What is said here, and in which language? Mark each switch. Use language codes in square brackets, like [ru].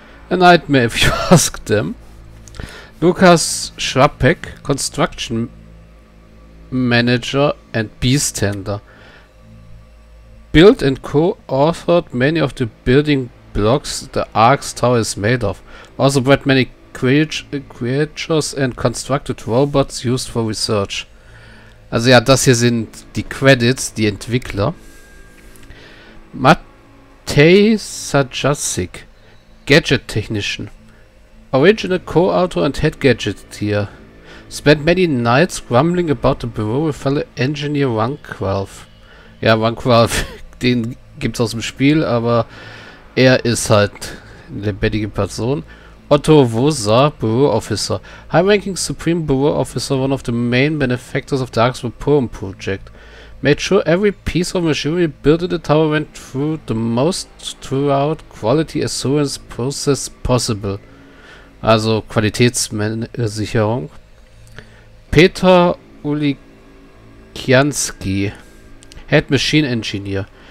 [en] A nightmare if you ask them. Lukas Schrapek, Construction Manager and Beast Tender. Built and co-authored many of the building blocks the Arx Tower is made of. Also bred many creatures and constructed robots used for research. [de] Also ja, das hier sind die Credits, die Entwickler. [en] Matej Sajacic, Gadget Technician. Original co-author and head gadget here. Spent many nights grumbling about the bureau with fellow engineer Runkwalf. [de] Ja, Runkwalf, den gibt's aus dem Spiel, aber er ist halt eine lebendige Person. [en] Otto Vosa, Bureau Officer. High ranking Supreme Bureau Officer, one of the main benefactors of the Arx Vaporum Project. Made sure every piece of machinery built in the tower went through the most thorough quality assurance process possible. [de] Also Qualitätssicherung. [en] Peter Ulikiansky, Head Machine Engineer.